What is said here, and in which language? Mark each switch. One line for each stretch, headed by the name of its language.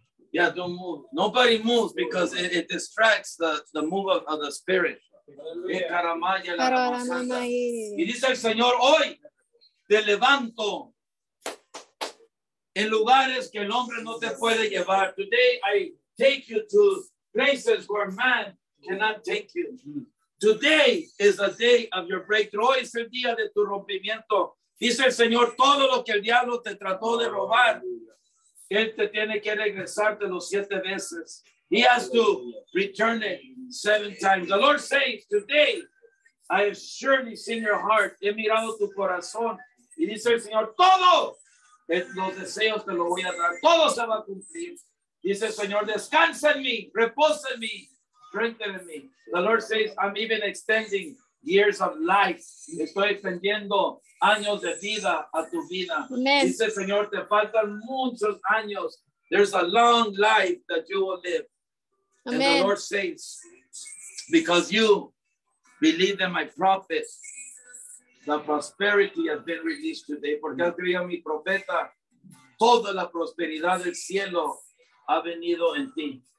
English: Yeah, don't move. Nobody moves because it distracts the move of the spirit.
Spanish: Y dice el Señor, hoy te levanto en lugares que el hombre no te puede llevar.
English: Today I take you to places where man cannot take you. Today is the day of your breakthrough.
Spanish: Hoy es el día de tu rompimiento. Dice el Señor, todo lo que el diablo te trató de robar, él te tiene que regresarte los 7 veces.
English: He has to return it 7 times. The Lord says, today I have surely seen your heart.
Spanish: He mirado tu corazón. Y dice el Señor, todo los deseos te lo voy a dar. Todo se va a cumplir. Dice el Señor, descansa en mí, reposa en mí,
English: strengthen me. The Lord says, I'm even extending years of life.
Spanish: Estoy extendiendo años de vida a tu vida. Amen. Dice el Señor, te faltan muchos años.
English: There's a long life that you will live. Amen. And the Lord says, because you believe in my prophet, the prosperity has been released today.
Spanish: Porque has creído mi profeta, toda la prosperidad del cielo ha venido en ti.